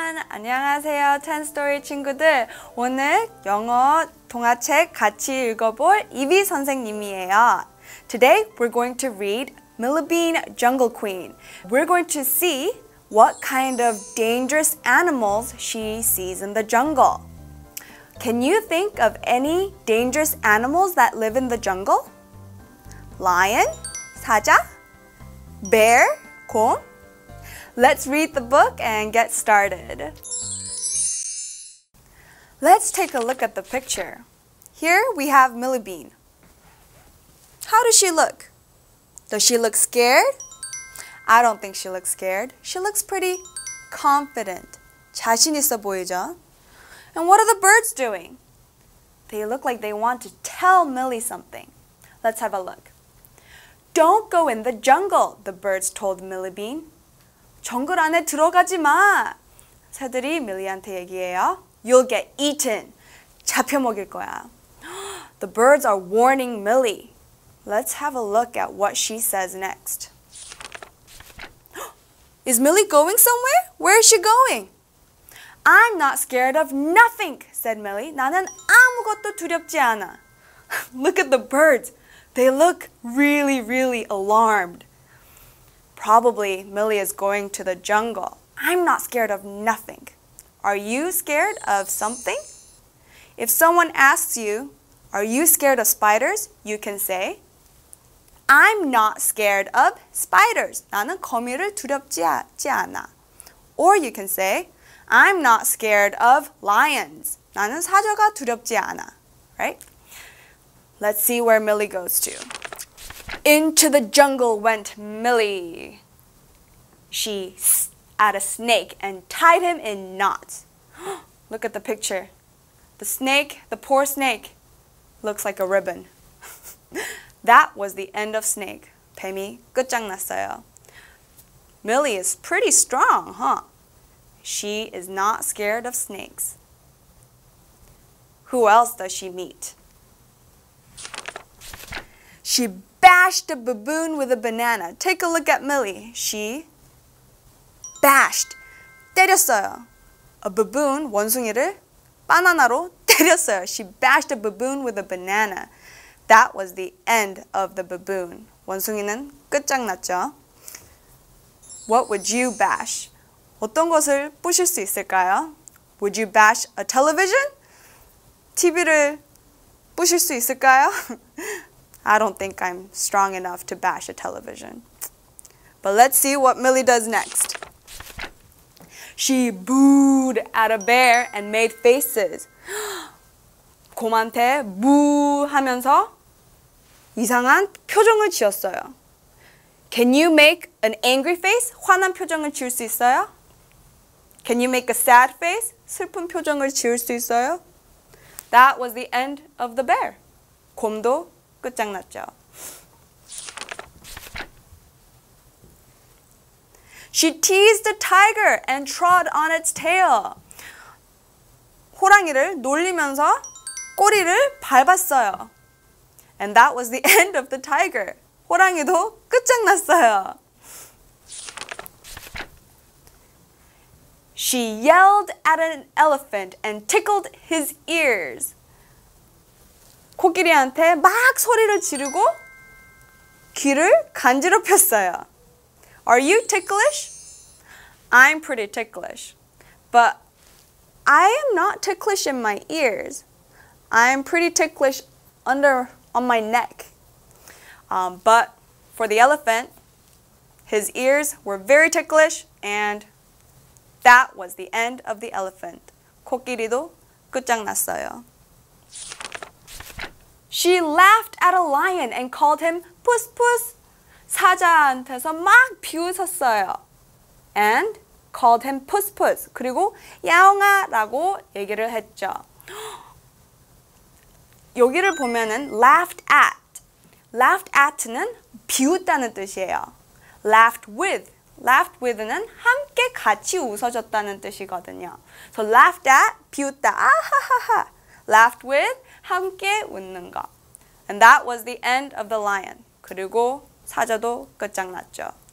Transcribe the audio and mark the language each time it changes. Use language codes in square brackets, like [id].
[ko] 안녕하세요, 찬스토리 친구들. 오늘 영어 동화책 같이 읽어볼 이비 선생님이에요. [en] Today we're going to read Millibean Jungle Queen. We're going to see what kind of dangerous animals she sees in the jungle. Can you think of any dangerous animals that live in the jungle? Lion, 사자, bear, 곰. Let's read the book and get started. Let's take a look at the picture. Here we have Millibean. How does she look? Does she look scared? I don't think she looks scared. She looks pretty confident. [ko] 자신 있어 보이죠? [en] And what are the birds doing? They look like they want to tell Millie something. Let's have a look. Don't go in the jungle, the birds told Millibean. [ko] 정글 안에 들어가지 마! 새들이 밀리한테 얘기해요. [en] You'll get eaten. [ko] 잡혀 먹일 거야. [en] The birds are warning Millie. Let's have a look at what she says next. Is Millie going somewhere? Where is she going? I'm not scared of nothing, said Millie. [ko] 나는 아무것도 두렵지 않아. [en] Look at the birds. They look really, really alarmed. Probably Millie is going to the jungle. I'm not scared of nothing. Are you scared of something? If someone asks you, are you scared of spiders? You can say, I'm not scared of spiders. [ko] 나는 거미를 두렵지 않아. [en] Or you can say, I'm not scared of lions. [ko] 나는 사자가 두렵지 않아. [en] Right? Let's see where Millie goes to. Into the jungle went Millie. She had a snake and tied him in knots. Look at the picture. The snake, the poor snake, looks like a ribbon. That was the end of snake. [ko] 뱀이 끝장났어요. [en] Millie is pretty strong, huh? She is not scared of snakes. Who else does she meet? She bashed a baboon with a banana. Take a look at Millie. She bashed. [ko] 때렸어요. [en] A baboon, [ko] 원숭이를 바나나로 때렸어요. [en] She bashed a baboon with a banana. That was the end of the baboon. [ko] 원숭이는 끝장났죠. [en] What would you bash? [ko] 어떤 것을 부실 수 있을까요? [en] Would you bash a television? [ko] TV를 부실 수 있을까요? [en] I don't think I'm strong enough to bash a television. But let's see what Millie does next. She booed at a bear and made faces. [ko] 곰한테 부하면서 이상한 표정을 지었어요. [en] Can you make an angry face? [ko] 화난 표정을 지을 수 있어요? [en] Can you make a sad face? [ko] 슬픈 표정을 지을 수 있어요? [en] That was the end of the bear. [ko] 곰도 끝장났죠. [en] She teased a tiger and trod on its tail. [ko] 호랑이를 놀리면서 꼬리를 밟았어요. [en] And that was the end of the tiger. [ko] 호랑이도 끝장났어요. [en] She yelled at an elephant and tickled his ears. [ko] 코끼리한테 막 소리를 지르고 귀를 간지럽혔어요. [en] Are you ticklish? I'm pretty ticklish. But I am not ticklish in my ears. I'm pretty ticklish on my neck. But for the elephant, his ears were very ticklish, and that was the end of the elephant. [ko] 코끼리도 끝장났어요. [en] She laughed at a lion and called him Puss Puss. [ko] 사자한테서 막 비웃었어요. [en] And called him Puss Puss. [ko] 그리고 야옹아라고 얘기를 했죠. 여기를 보면은 laughed at. Laughed at는 비웃다는 뜻이에요. [en] Laughed with. [ko] Laughed with는 함께 같이 웃어줬다는 뜻이거든요. [en] So laughed at, 비웃다. 아하하하. [ko] Laughed with, 함께 웃는 거. [en] And that was the end of the lion. [ko] 그리고 사자도 끝장났죠.